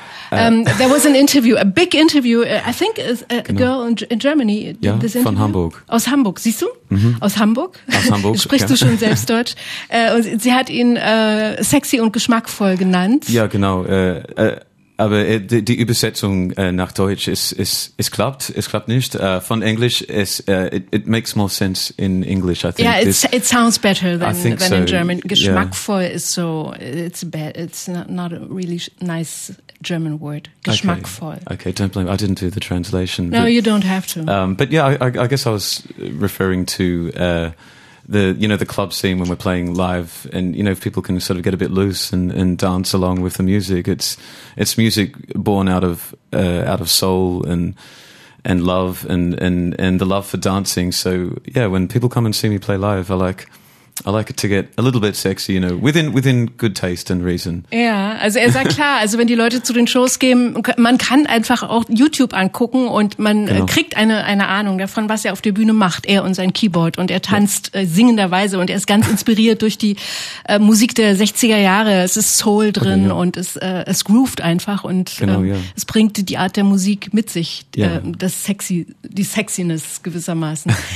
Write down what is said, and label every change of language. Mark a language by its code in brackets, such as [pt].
[en] There was an interview, a big interview, I think girl in Germany did this interview. [de] Von Hamburg. Aus Hamburg, siehst du? Mm-hmm. Aus Hamburg. Sprichst du schon selbst Deutsch. Und sie hat ihn sexy und geschmackvoll genannt. Ja, genau. Aber die Übersetzung nach Deutsch, es klappt nicht. Von Englisch, [en] it makes more sense in English, I think. Yeah, it sounds better than in German. [de] Geschmackvoll ist so, [en] it's not a really nice German word, geschmackvoll. Okay, don't blame me. I didn't do the translation. No, you don't have to. But yeah, I guess I was referring to the club scene when we're playing live, and you know, if people can sort of get a bit loose and dance along with the music. It's music born out of soul and love and the love for dancing. So yeah, when people come and see me play live, I like it to get a little bit sexy, you know, within good taste and reason. [de] Ja, also er sagt klar, also wenn die Leute zu den Shows gehen, man kann einfach auch YouTube angucken und man kriegt eine Ahnung davon, was er auf der Bühne macht, er und sein Keyboard, und er tanzt singenderweise und er ist ganz inspiriert durch die Musik der 60er Jahre. Es ist Soul drin und es groovt einfach und es bringt die Art der Musik mit sich, die Sexiness gewissermaßen.